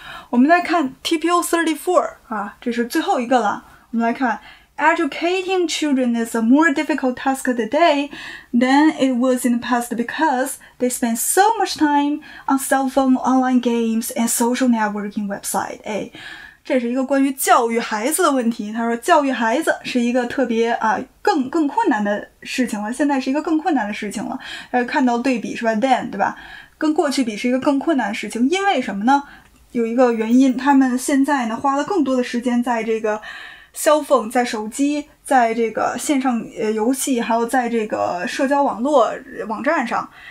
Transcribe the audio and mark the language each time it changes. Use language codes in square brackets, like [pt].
[zh] 我们再看 TPO 34啊，这是最后一个了。我们来看 [en] Educating children is a more difficult task today than it was in the past because they spend so much time on cell phone, online games, and social networking website. [zh] 哎，这是一个关于教育孩子的问题。他说教育孩子是一个特别啊更困难的事情了，现在是一个更困难的事情了。看到对比是吧 then 对吧，跟过去比是一个更困难的事情。因为什么呢？有一个原因，他们现在呢花了更多的时间在这个 cell phone， 在手机，在这个线上游戏，还有在这个社交网络网站上。